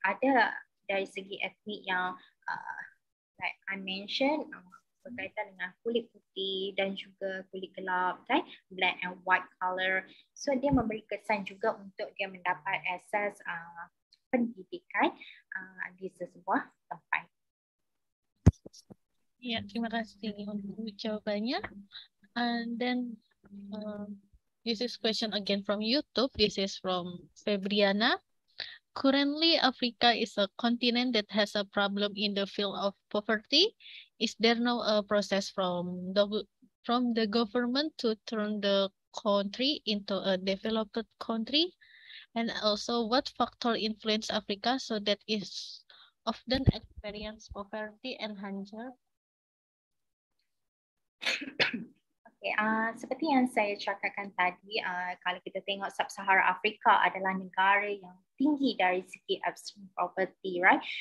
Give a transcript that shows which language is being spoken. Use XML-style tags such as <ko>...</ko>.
<ms>Ada dari segi etnik yang</ms> <en>like I mentioned</en> <ms>berkaitan dengan kulit putih dan juga kulit gelap, kan?</ms> <en>Black and white color.</en> <ms>So dia memberi kesan juga untuk dia mendapat akses pendidikan di sebuah tempat.</ms> <id>Ya, terima kasih untuk jawabannya.</id> <en>And then this is question again from YouTube. This is from Febriana. Currently, Africa is a continent that has a problem in the field of poverty. Is there now a process from the government to turn the country into a developed country? And also, what factor influence Africa so that it often experience poverty and hunger?</en> <ms>Okay, seperti yang saya cakapkan tadi, kalau kita tengok Sub-Sahara Afrika adalah negara yang tinggi dari segi</ms> <en>extreme poverty, right?</en>